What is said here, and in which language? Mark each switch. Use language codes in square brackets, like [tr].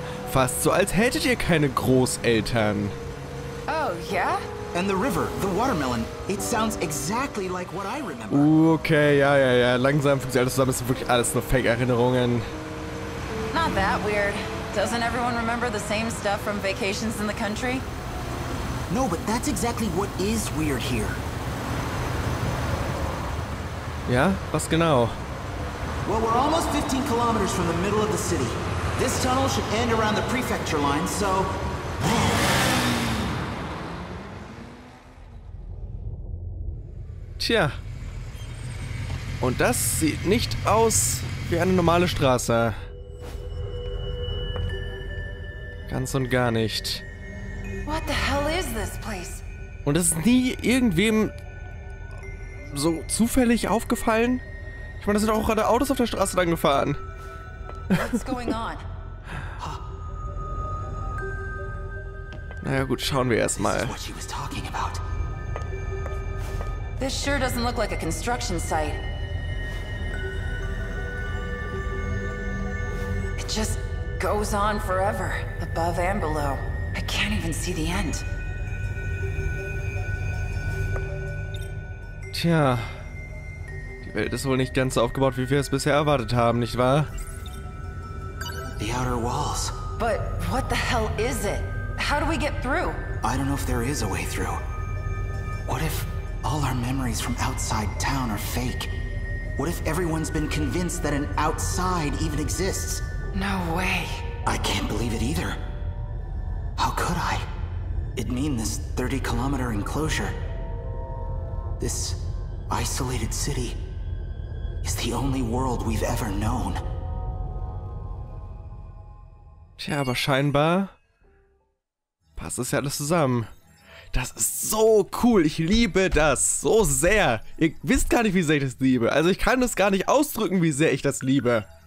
[de] Fast so, als hättet ihr keine Großeltern. [en] Oh, yeah? And the river, the watermelon, it sounds exactly like what I remember. [de] Okay, ja. Langsam fügt sich alles zusammen, es sind wirklich alles nur Fake-Erinnerungen. [en] Not that weird. Doesn't everyone remember the same stuff from vacations in the country? No, but that's exactly what is weird here. [de] Ja, was genau? [en] Well, we're almost 15 kilometers from the middle of the city. This tunnel should end around the prefecture line, so... [de] Tja. Und das sieht nicht aus wie eine normale Straße. Ganz und gar nicht. [en] What the hell is this place? [de] Und das ist nie irgendwem... so zufällig aufgefallen? Ich meine, da sind auch gerade Autos auf der Straße lang gefahren. [en] What's going on? [de] Naja, gut, schauen wir erstmal. [en] This is what she was talking about. This sure doesn't look like a construction site. It just goes on forever, above and below. I can't even see the end. [de] Tja, die Welt ist wohl nicht ganz so aufgebaut, wie wir es bisher erwartet haben, nicht wahr? [en] The outer walls. But what the hell is it? How do we get through? I don't know if there is a way through. What if all our memories from outside town are fake? What if everyone's been convinced that an outside even exists? No way. I can't believe it either. How could I? It'd mean this 30-kilometer enclosure. This isolated city is the only world we've ever known. [de] Tja, aber scheinbar passt das ja alles zusammen. Das ist so cool, ich liebe das so sehr. Ihr wisst gar nicht, wie sehr ich das liebe. Also ich kann es gar nicht ausdrücken, wie sehr ich das liebe.